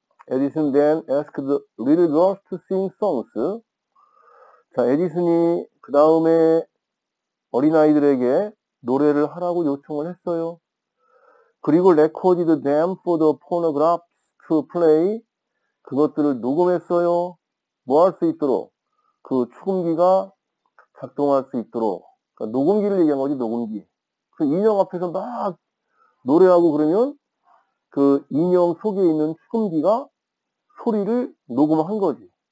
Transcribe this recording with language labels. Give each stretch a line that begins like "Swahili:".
English: Edison then asked the little girls to sing songs.
Korean: 자, 에디슨이 그 다음에 어린아이들에게 노래를 하라고 요청을 했어요. 그리고
English: recorded them for the phonograph to play.
Korean: 그것들을 녹음했어요. 뭐 할 수 있도록? 그 수금기가 작동할 수 있도록. 그러니까 녹음기를 얘기한 거지, 녹음기. 그 인형 앞에서 막 노래하고 그러면 그 인형 속에 있는 수금기가 소리를 녹음한 거지.